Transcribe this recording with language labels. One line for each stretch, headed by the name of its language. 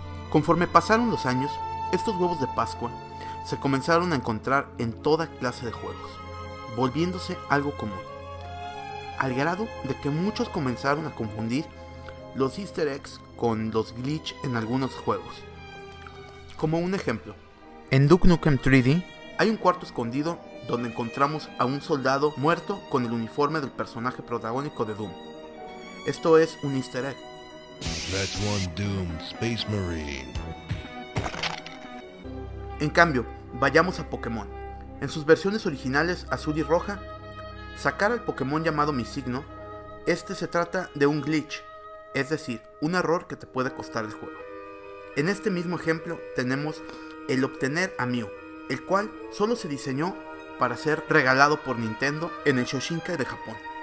Spanish: Conforme pasaron los años, estos huevos de Pascua se comenzaron a encontrar en toda clase de juegos, volviéndose algo común, al grado de que muchos comenzaron a confundir los Easter eggs con los glitch en algunos juegos. Como un ejemplo, en Duke Nukem 3D hay un cuarto escondido donde encontramos a un soldado muerto con el uniforme del personaje protagónico de Doom. Esto es un Easter egg.
English: That's one doomed Space Marine.
Spanish: En cambio, vayamos a Pokémon. En sus versiones originales azul y roja, sacar al Pokémon llamado Misigno, este se trata de un glitch. Es decir, un error que te puede costar el juego. En este mismo ejemplo tenemos el obtener a Mew, el cual solo se diseñó para ser regalado por Nintendo en el Shoshinkai de Japón.